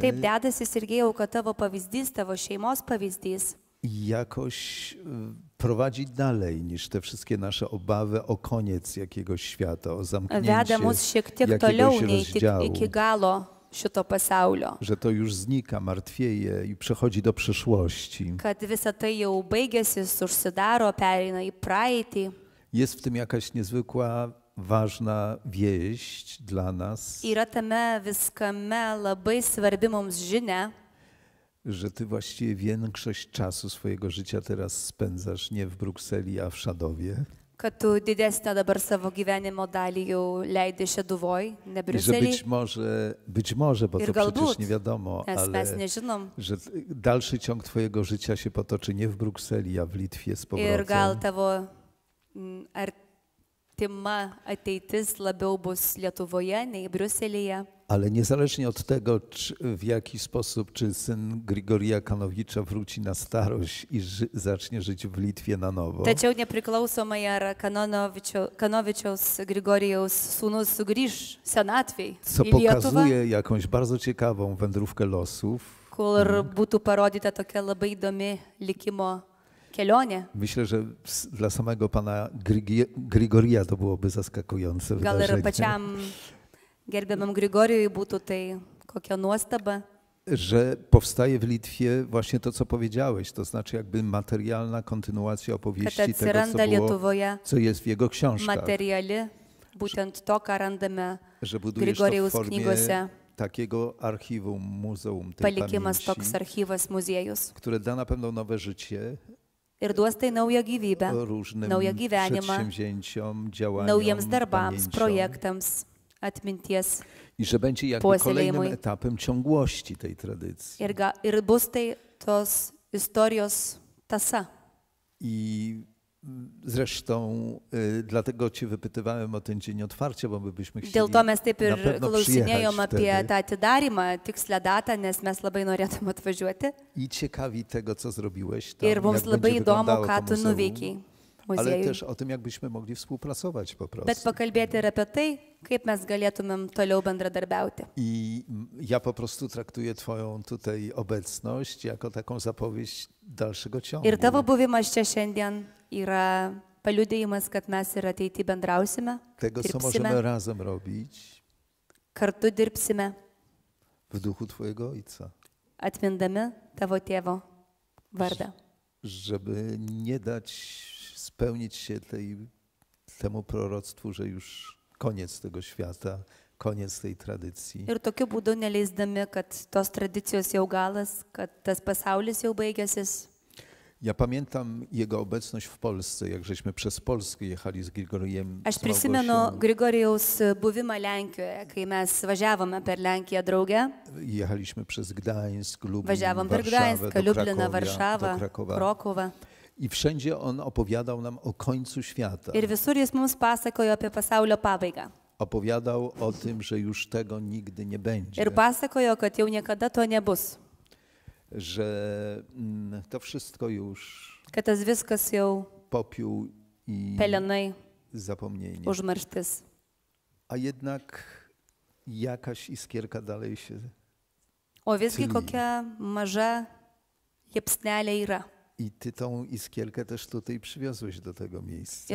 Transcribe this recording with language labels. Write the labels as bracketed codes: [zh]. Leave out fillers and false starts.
[lt] Taip dedasi, Siergieju, kad tavo pavyzdys, tavo šeimos pavyzdys. [pl] Jakoś prowadzi dalej niż te wszystkie nasze obawy o koniec jakiegoś świata, o zamknięcie. [lt] Veda mus šiek tiek toliau nei tik iki galo šito pasaulio. [pl] Że to już znika, martwieje i przechodzi do przeszłości. [lt] Kad visa tai jau baigėsi, užsidaro, pereina į praeitį. [pl] Jest w tym jakaś niezwykła ważna wieść dla nas. [lt] Yra tame viskame labai svarbi mums žinia. [pl] Że ty właściwie większość czasu swojego życia teraz spędzasz nie w Brukseli, a w Szadowie. [lt] Kad tu didesnę dabar savo gyvenimo dalį jau leidi Šeduvoj, ne Briuselyje. [pl] Że być może, bo to przecież nie wiadomo, ale że dalszy ciąg twojego życia się potoczy nie w Brukseli, a w Litwie z powrotem. [lt] Ir gal tavo artima ateitis labiau bus Lietuvoje, nei Briuselyje. [pl] Ale niezależnie od tego, czy w jaki sposób, czy syn Grigorija Kanowicza wróci na starość i zacznie żyć w Litwie na nowo. [lt] Tačiau nepriklausomai ar Kanovičiaus Grigorijaus sūnus sugrįš senatvėj į Lietuvą. [pl] Co pokazuje jakąś bardzo ciekawą wędrówkę losów. [lt] Kur būtų parodyta tokia labai įdomi likimo kelionė. [pl] Myślę, że dla samego pana Grigorija to byłoby zaskakujące [lt] gal [pl] wydarzenie. [lt] Gal ir pačiam gerbiamam Grigorijui būtų tai kokia nuostaba. [pl] Że powstaje w Litwie właśnie to, co powiedziałeś, to znaczy jakby materialna kontynuacja opowieści tego, co było, [lt] Lietuvoje, [pl] co jest w jego książkach. Materiali, būtent to, ką randame Grigorijaus knygose. Takiego archiwum, muzeum tej [lt] palikimas [pl] pamięci. [lt] Palikimas toks archivas muziejus. [pl] Które da na pewno nowe życie. [lt] Ir duos tai naują gyvybę, naują gyvenimą, [pl] przedsięwzięciom, działaniom, [lt] naujiems darbams, [pl] pamięciom. [lt] Projektams. Atminties. [pl] I że będzie jakby kolejnym etapem ciągłości tej tradycji. [lt] Ir bus tai tos istorijos tasa. [pl] I zresztą dlatego cię wypytywałem o ten dzień otwarcia, bo my byśmy chcieli. [lt] Dėl to mes taip ir klausinėjom apie tą atidarymą, tikslią datą, nes mes labai norėtum atvažiuoti. [pl] I ciekawi tego, co zrobiłeś tam. [lt] Ir mums labai įdomu, ką tu nuveikei. [pl] Ale też o tym, jakbyśmy mogli współpracować po prostu. [lt] Bet pakalbėti ir apie tai, kaip mes galėtumėm toliau bendradarbiauti. [pl] I ja po prostu traktuję twoją tutaj obecność jako taką zapowiedź dalszego ciągu. [lt] Ir tavo buvimas čia šiandien yra paliudėjimas, kad mes ir ateity bendrausime. [pl] Tego, co możemy razem robić. [lt] Kartu dirbsime. [pl] W duchu twojego ojca. [lt] Atmindami tavo tėvo vardą. [pl] Żeby nie dać spełnić się temu proroctwu, że już koniec tego świata, koniec tej tradycji. [lt] Ir tokiu būdu neleisdami, kad tos tradicijos jau galas, kad tas pasaulis jau baigiasis. [pl] Ja pamiętam jego obecność w Polsce, jak żeśmy przez Polskę jechali z Grigorijem. [lt] Aš prisimenu Grigorijaus buvimą Lenkijoje, kai mes važiavome per Lenkiją drauge. [pl] Jechaliśmy przez Gdańsk, Lublin, [lt] važiavom [pl] Warszawę, [lt] per Gdańska, [pl] do Lublina, Warszawa, Krakowa. I wszędzie on opowiadał nam o końcu świata. [lt] Ir visur jis mums pasakojo apie pasaulio pabaigą. [pl] Opowiadał o tym, że już tego nigdy nie będzie. [lt] Ir pasakojo, kad jau niekada to nebus. [pl] Że to wszystko już. [lt] Kad tas viskas jau [pl] popiół i [lt] pelenai, [pl] zapomnienie. [lt] Užmarštis. [pl] A jednak jakaś iskierka dalej się. [lt] O visgi kokia maža liepsnelė yra. [pl] I ty tą iskierkę też tutaj przywiozłeś do tego miejsca.